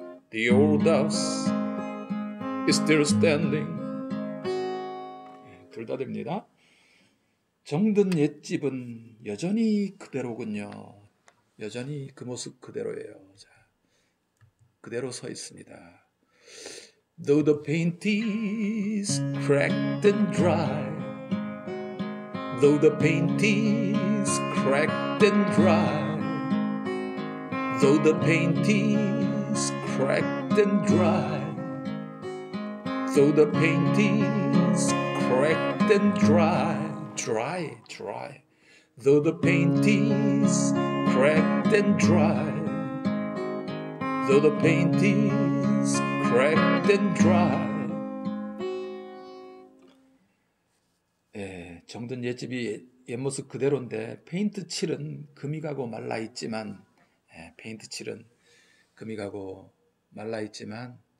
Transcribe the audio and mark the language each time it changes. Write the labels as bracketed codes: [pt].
[en] The old house is still standing. [ko] 둘 다 됩니다. 정든 옛집은 여전히 그대로군요. 여전히 그 모습 그대로예요. 자, 그대로 서 있습니다. [en] Though the paint is cracked and dry, though the paint is cracked and dry, though the paint is cracked and dry, though the paint is cracked and dry, dry, dry, though the paint is cracked and dry, though the paint is cracked and dry. [ko] 예, 정든 옛집이 옛모습 그대로인데 페인트칠은 금이 가고 말라있지만 예, 페인트칠은 금이 가고 말라있지만